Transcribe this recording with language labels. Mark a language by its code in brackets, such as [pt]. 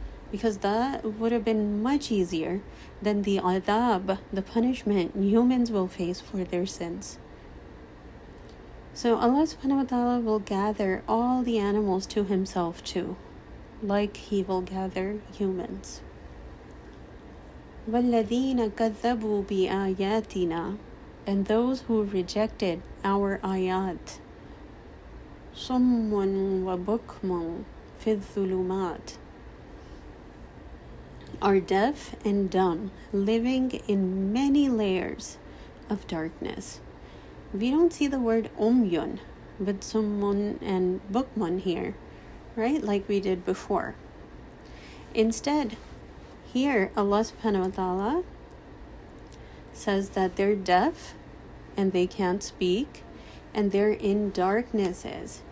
[en] Because that would have been much easier than the adab, the punishment humans will face for their sins. So Allah subhanahu wa ta'ala will gather all the animals to Himself too, like He will gather humans. [ar] وَالَّذِينَ كَذَّبُوا بِآيَاتِنَا, [en] and those who rejected our ayat, [ar] صُمٌّ وَبُكْمٌ فِي الظُّلُمَاتِ, [en] are deaf and dumb, living in many layers of darkness. We don't see the word omyun with summun and bukmun here, right? Like we did before. Instead, here Allah subhanahu wa ta'ala says that they're deaf and they can't speak and they're in darknesses.